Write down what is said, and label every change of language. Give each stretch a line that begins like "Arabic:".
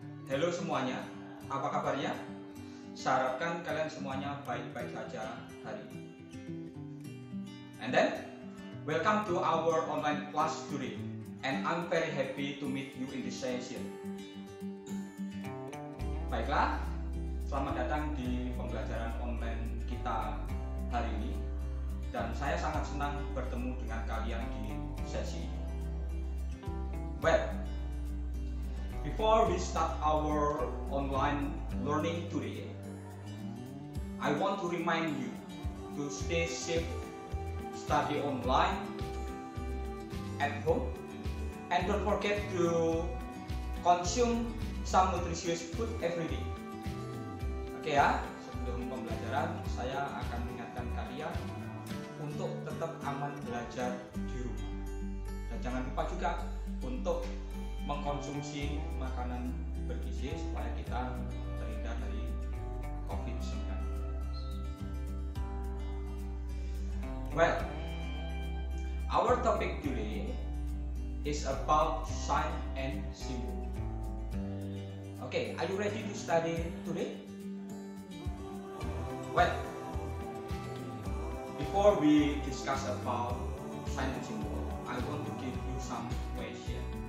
Indonesian: Hello semuanya, apa kabarnya? Saya harapkan kalian semuanya baik-baik saja hari ini.
English: And then, welcome to our online class today. And I'm very happy to meet you in this session.
Indonesian: Baiklah, selamat datang di pembelajaran online kita hari ini. Dan saya sangat senang bertemu dengan kalian di sesi.
English: Well, before we start our online learning today, I want to remind you to stay safe, study online, at home, and don't forget to consume some nutritious food every day.
Indonesian: Okay ya, sebelum pembelajaran, saya akan mengingatkan kalian untuk tetap aman belajar di rumah. Dan jangan lupa juga untuk mengkonsumsi makanan bergizi supaya kita terhindar dari COVID-19.
English: Well, our topic today is about sign and symbol. Okay, are you ready to study today? Well, before we discuss about sign and symbol, I want to give you some question.